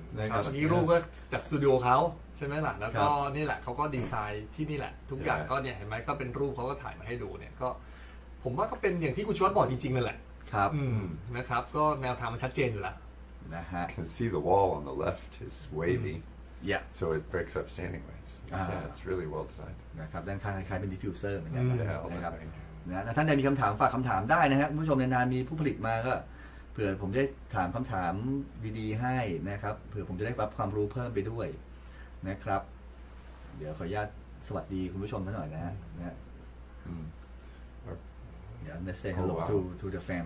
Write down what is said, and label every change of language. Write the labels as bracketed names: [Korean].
[Thai] ครับ นี่รูปก็จากสตูดิโอเขาใช่ไหมล่ะแล้วก็นี่แหละเขาก็ดีไซน์ที่นี่แหละทุกอย่างก็เนี่ยเห็นไหมก็เป็นรูปเขาก็ถ่ายมาให้ดูเนี่ยก็ผมว่าก็เป็นอย่างที่คุณชวัตบอกจริงๆนั่นแหละ ครับ นะครับก็แนวทางมันชัดเจนอยู่ละ [English] You can see the wall on the left is wavy. Yeah. So it breaks up standing waves. Yeah, it's really well designed. [Thai] นะครับด้านข้างคล้ายเป็น diffuser นะครับ นะครับท่านใดมีคำถามฝากคำถามได้นะครับคุณผู้ชมในนามีผู้ผลิตมาก็เผื่อผมได้ถามคำถามดีๆให้นะครับเผื่อผมจะได้รับความรู้เพิ่มไปด้วยนะครับเดี๋ยวขออนุญาตสวัสดีคุณผู้ชมหน่อยนะฮะนะ [English] Yeah, let's say hello to the fam.